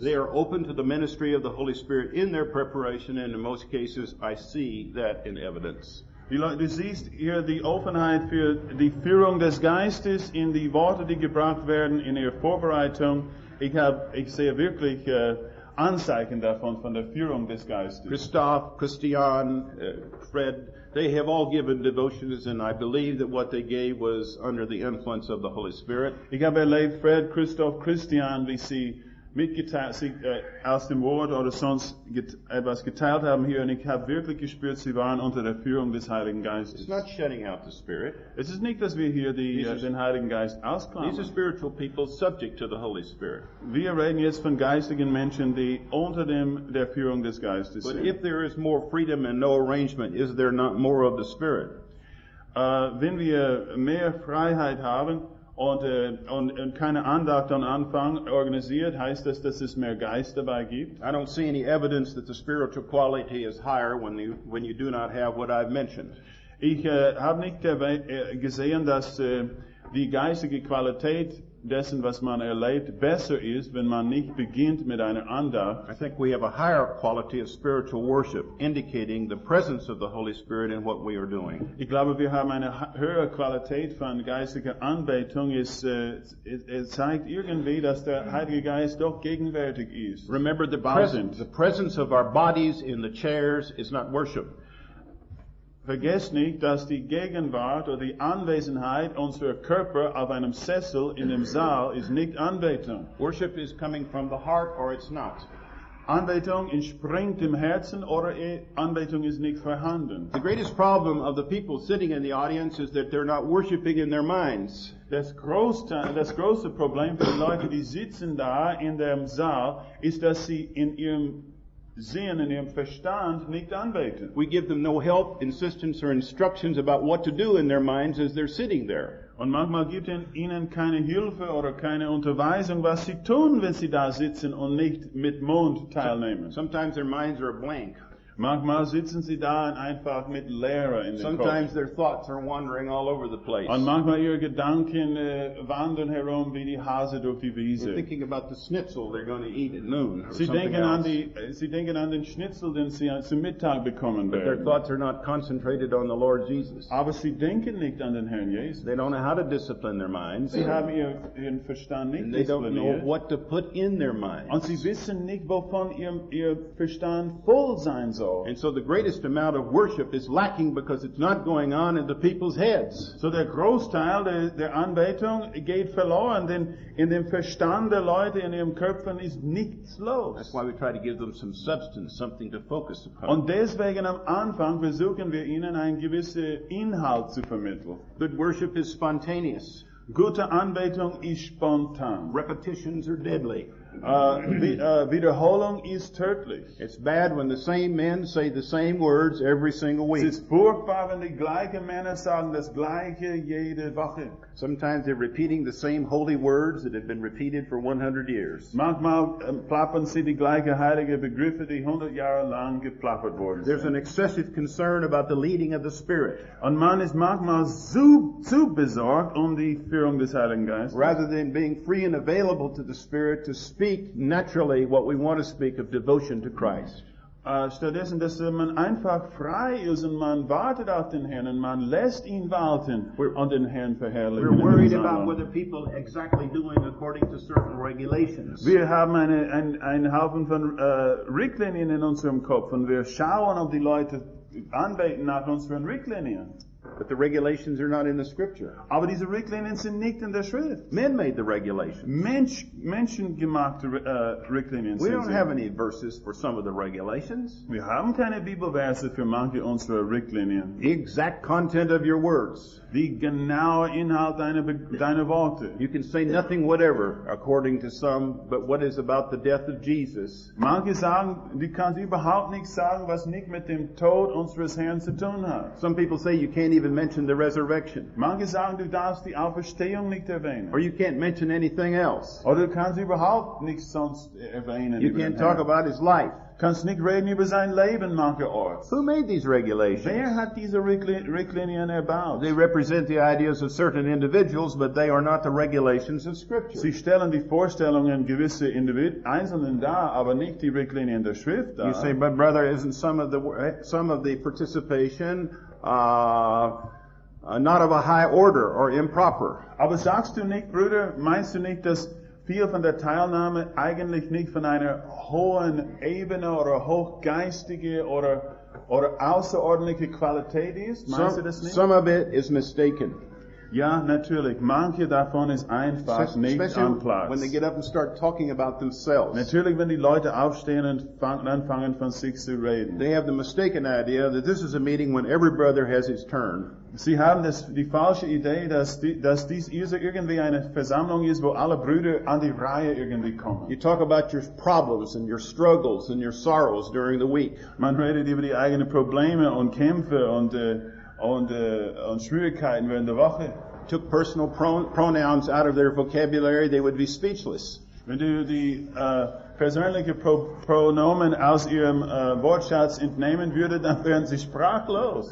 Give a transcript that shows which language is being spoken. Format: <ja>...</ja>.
<en>They are open to the ministry of the Holy Spirit in their preparation, and in most cases, I see that in evidence.</en> <de>Du siehst hier die Offenheit für die Führung des Geistes in die Worte, die gebracht werden in ihrer Vorbereitung. Ich sehe wirklich Anzeichen davon von der Führung des Geistes.</de> <en>Christoph, Christian, Fred, they have all given devotions, and I believe that what they gave was under the influence of the Holy Spirit.</en> <de>Ich habe erlebt, Fred, Christoph, Christian, wie sie mitgeteilt, sie aus dem Wort oder sonst etwas geteilt haben hier, und ich habe wirklich gespürt, sie waren unter der Führung des Heiligen Geistes.</de> <en>It's not shutting out the Spirit.</en> <de>Es ist nicht, dass wir hier den Heiligen Geist ausklammern.</de> <en>These are spiritual people subject to the Holy Spirit.</en> <de>Wir reden jetzt von geistigen Menschen, die unter der Führung des Geistes sind.</de> <en>But if there is more freedom and no arrangement, is there not more of the Spirit?</en> <de>Wenn wir mehr Freiheit haben, und keine Andacht am Anfang organisiert, heißt das, dass es mehr Geist dabei gibt?</de> <en>I don't see any evidence that the spiritual quality is higher when you do not have what I've mentioned.</en> <de>Ich habe nicht gesehen, dass die geistige Qualität dessen, was man erlebt, besser ist, wenn man nicht beginnt mit einer Andacht.</de> <en>I think we have a higher quality of spiritual worship, indicating the presence of the Holy Spirit in what we are doing.</en> <de>Ich glaube, wir haben eine höhere Qualität von geistiger Anbetung. Es zeigt irgendwie, dass der Heilige Geist doch gegenwärtig ist.</de> <en>Remember the presence. The presence of our bodies in the chairs is not worship.</en> <de>Vergesst nicht, dass die Gegenwart oder die Anwesenheit unserer Körper auf einem Sessel in dem Saal ist nicht Anbetung.</de> <en>Worship is coming from the heart or it's not.</en> <de>Anbetung entspringt im Herzen oder Anbetung ist nicht vorhanden.</de> <en>The greatest problem of the people sitting in the audience is that they're not worshiping in their minds.</en> <de>Das große Problem für die Leute, die sitzen da in dem Saal, ist, dass sie in ihrem Sinn und ihrem Verstand nicht anbeten.</de> <en>We give them no help, insistence, or instructions about what to do in their minds as they're sitting there.</en> <de>Und manchmal gibt es ihnen keine Hilfe oder keine Unterweisung, was sie tun, wenn sie da sitzen und nicht mit Mund teilnehmen.</de> <en>Sometimes their minds are blank.</en> <de>Manchmal sitzen sie da und einfach mit Leere in den Kopf.</de> <en>Sometimes their thoughts are wandering all over the place.</en> <de>Und manchmal ihre Gedanken wandern herum wie die Hase durch die Wiese.</de> <en>They're thinking about the schnitzel they're going to eat at noon.</en> <de>Sie denken an den Schnitzel, den sie zum Mittag bekommen werden.</de> <en>But their thoughts are not concentrated on the Lord Jesus.</en> <de>Aber sie denken nicht an den Herrn Jesus.</de> <en>They don't know how to discipline their minds.</en> <de>Sie haben ihren Verstand nicht</de> <en>and they don't know what to put in their minds.</en> <de>Und sie wissen nicht, wovon ihr Verstand voll sein soll.</de> <en>And so the greatest amount of worship is lacking because it's not going on in the people's heads.</en> <de>So der Großteil der Anbetung geht verloren, denn in dem Verstand der Leute, in ihrem Köpfen ist nichts los.</de> <en>That's why we try to give them some substance, something to focus upon.</en> <de>Und deswegen am Anfang versuchen wir ihnen einen gewissen Inhalt zu vermitteln.</de> <en>Good worship is spontaneous.</en> <de>Gute Anbetung ist spontan.</de> <en>Repetitions are deadly.</en> <de>Wiederholung ist tödlich.</de> <en>It's bad when the same men say the same words every single week.</en> <de>Es ist furchtbar, wenn die gleichen Männer sagen das gleiche jede Woche.</de> <en>Sometimes they're repeating the same holy words that have been repeated for 100 years.</en> <de>Manchmal plappern sie die gleichen heiligen Begriffe, die 100 Jahre lang geplappert worden sind.</de> <en>There's an excessive concern about the leading of the Spirit.</en> <de>Und man ist manchmal zu besorgt um die Führung des Heiligen Geistes.</de> <en>Rather than being free and available to the Spirit to speak naturally what we want to speak of devotion to Christ.</en> <de>Stattdessen, dass man einfach frei ist und man wartet auf den Herrn und man lässt ihn warten und den Herrn verherrlichen.</de> <en>We're worried about whether people exactly doing according to certain regulations.</en> <de>Wir haben einen Haufen von Richtlinien in unserem Kopf und wir schauen, ob die Leute anbeten nach unseren Richtlinien.</de> <en>But the regulations are not in the scripture.</en> <de>Aber diese Richtlinien sind nicht in der Schrift.</de> <en>Men made the regulations.</en> <de>Menschen gemachte Richtlinien.</de> <en>We don't have any verses for some of the regulations.</en> <de>Wir haben keine Bibelverse für manche unserer Richtlinien.</de> <en>The exact content of your words.</en> <de>Die genaue Inhalt deiner Worte.</de> <en>You can say nothing whatever according to some, but what is about the death of Jesus.</en> <de>Manche sagen, du kannst überhaupt nichts sagen, was nicht mit dem Tod unseres Herrn zu tun hat.</de> <en>Some people say you can't even mention the resurrection.</en> <de>Manche sagen, du darfst die Auferstehung nicht erwähnen.</de> <en>Or you can't mention anything else.</en> <de>Oder du kannst überhaupt nichts sonst erwähnen.</de> <en>You can't talk about his life.</en> <de>Kannst nicht reden über sein Leben, manche Orte.</de> <en>Who made these regulations?</en> <de>Wer hat diese Richtlinien erbaut?</de> <en>They represent the ideas of certain individuals, but they are not the regulations of Scripture.</en> <de>Sie stellen die Vorstellungen gewisser Einzelnen dar, aber nicht die Richtlinien der Schrift dar.</de> <en>You say, but brother, isn't some of the participation not of a high order or improper?</en> <de>Aber sagst du nicht, Bruder, meinst du nicht, dass viel von der Teilnahme eigentlich nicht von einer hohen Ebene oder hochgeistige oder außerordentliche Qualität ist? Meinst du das nicht?</de> <en>Some of it is mistaken.</en> <de>Ja, natürlich. Manche davon ist einfach nicht am Platz.</de> <en>When they get up and start talking about themselves.</en> <de>Natürlich, wenn die Leute aufstehen und anfangen von sich zu reden.</de> <en>They have the mistaken idea that this is a meeting when every brother has his turn.</en> <de>Sie haben die falsche Idee, dass dies irgendwie eine Versammlung ist, wo alle Brüder an die Reihe irgendwie kommen.</de> <en>You talk about your problems and your struggles and your sorrows during the week.</en> <de>Man redet über die eigenen Probleme und Kämpfe und Schwierigkeiten während der Woche.</de> <en>Took personal pronouns out of their vocabulary, they would be speechless.</en> <de>Wenn du die persönliche Pronomen aus ihrem Wortschatz entnehmen würde, dann wären sie sprachlos.</de>